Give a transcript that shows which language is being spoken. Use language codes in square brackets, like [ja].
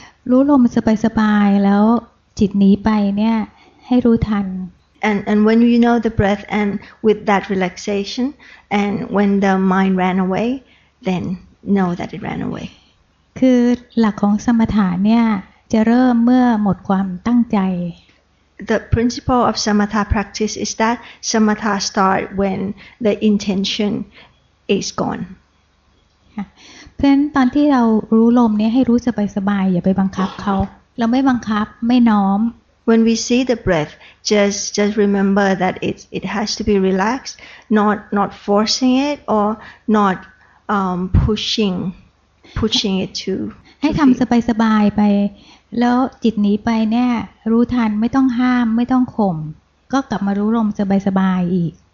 [th] รู้ลมสบายสบายแล้วจิตหนีไปเนี่ยให้รู้ทัน [en] and when you know the breath and with that relaxation and when the mind ran away then know that it ran away [th] คือหลักของสมถะเนี่ยจะเริ่มเมื่อหมดความตั้งใจ [en] The principle of samatha practice is that samatha start when the intention is gone. [th] เพราะฉะนั้นตอนที่เรารู้ลมเนี่ยให้รู้สบายสบายอย่าไปบังคับเขาเราไม่บังคับไม่น้อม [en] When we see the breath, just remember that it has to be relaxed, not forcing it or not pushing it to [th] ให้ทำสบายสบายไปแล้วจิตหนีไปเนี่ยรู้ทันไม่ต้องห้ามไม่ต้องข่มก็กลับมารู้ลมสบายๆอีก